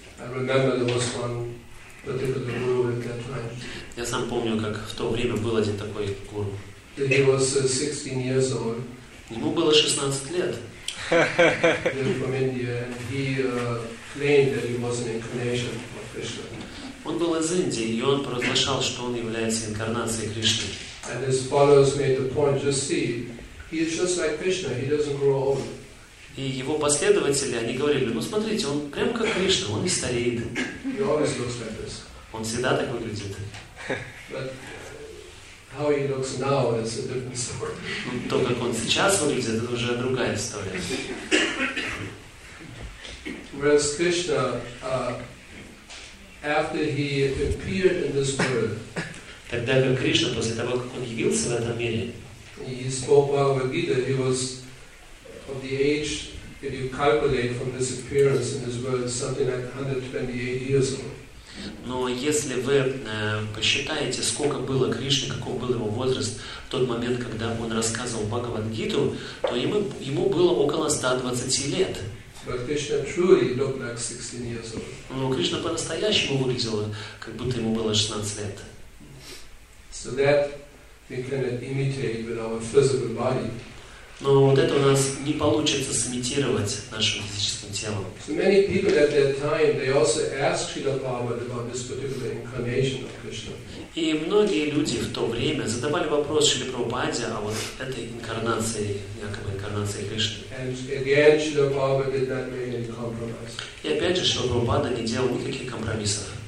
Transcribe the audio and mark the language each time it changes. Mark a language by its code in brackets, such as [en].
[en] I remember there was one particular guru at that time. [ru] Я сам помню, как в то время был один такой гуру. [en] He was 16 years old. [ru] Ему было 16 лет. [en] He was from India, and he claimed that he was an incarnation of Krishna. [ru] Он был из Индии, и он провозглашал, что он является инкарнацией Кришны. [en] And his followers made the point, just see. He is just like Krishna. He doesn't grow old. [ru] И его последователи, они говорили: "Ну смотрите, он прям как Кришна, он не стареет." [en] He always looks like this. [ru] Он всегда так выглядит. [en] But how he looks now is a different story. [ru] То, как он сейчас выглядит, это уже другая история. [en] Whereas Krishna, after he appeared in this world, [ru] тогда как Кришна после того, как он явился в этом мире. [en] He spoke Bhagavad Gita. He was of the age that you calculate from his appearance in this world, something like 128 years old. [ru] Но если вы посчитаете, сколько было Кришне, каков был его возраст в тот момент, когда он рассказывал Бхагавад Гиту, то ему было около 120 лет. [en] But Krishna truly looked like 16 years old. [ru] Но Кришна по-настоящему выглядел, как будто ему было 16 лет. [en] So that we can imitate with our physical body. [ru] Но вот это у нас не получится сымитировать нашим физическим телом. [en] So many people at that time, they also asked Srila Prabhupada about this particular incarnation of Krishna. [ru] И многие люди в то время задавали вопрос Шриле Прабхупаде о вот этой инкарнации, якобы инкарнации Кришны. И опять же, Шрила Прабхупада не делал никаких компромиссов.